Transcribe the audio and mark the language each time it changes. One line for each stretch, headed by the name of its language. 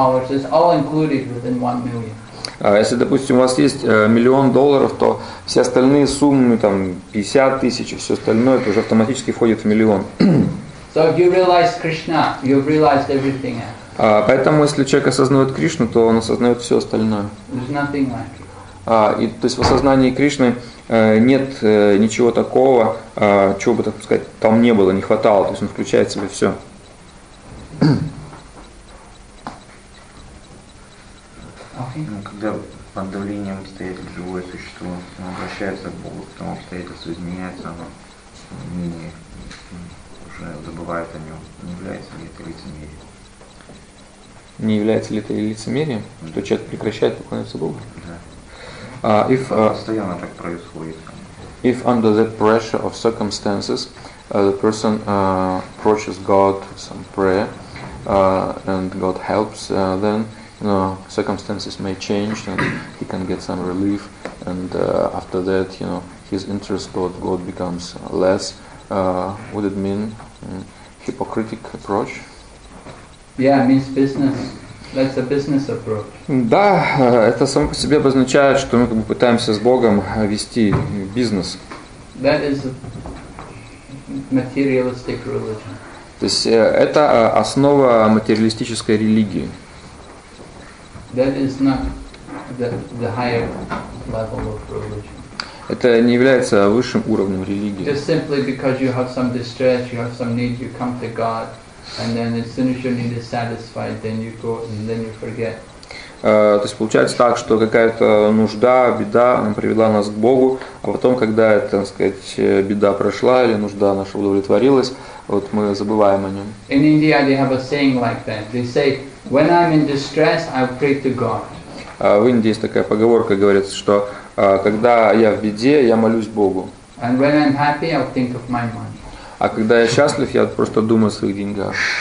English: It's all included within $1 million.
Russian: Если, допустим, у вас есть $1 million, то все остальные суммы, там 50 тысяч, все остальное, это уже автоматически входит в миллион.
English: So if you realize Krishna, you realize everything else.
Russian: Поэтому, если человек осознает Кришну, то он осознает все остальное. То есть в осознании Кришны нет ничего такого, чего бы, так сказать, там не было, не хватало. То есть он включает в себя все. Когда под давлением обстоятельств живое существо обращается к Богу, потом обстоятельства изменяются, оно уже забывает о нем, не является ли это лицемерием? Не является ли это лицемерием, что человек прекращает поклоняться Богу? Да. Постоянно так происходит.
English: If under the pressure of circumstances, the person approaches God with some prayer, and God helps, then circumstances may change, and he can get some relief, and after that, his interest toward God becomes less. Would it mean hypocritic approach? Yeah, it means business. That's a business approach.
Russian: Да, это само по себе обозначает, что мы как бы пытаемся с Богом вести бизнес.
English: That is a materialistic religion.
Russian: То есть это основа материалистической религии.
English: That is not the higher level of religion.
Russian: Это не является высшим уровнем религии.
English: Just simply because you have some distress, you have some need, you come to God, and then as soon as your need is satisfied, then you go and then you forget.
Russian: То есть получается так, что какая-то нужда, беда привела нас к Богу, а потом, когда эта, так сказать, беда прошла или нужда наша удовлетворилась, вот мы забываем о нем.
English: In India they have a saying like that. They say, when I'm in distress, I pray to God.
Russian: В Индии есть такая поговорка, говорится, что когда я в беде, я молюсь Богу.
English: And when I'm happy, I'll think of my money.
Russian: А когда я счастлив, я просто думаю о своих деньгах.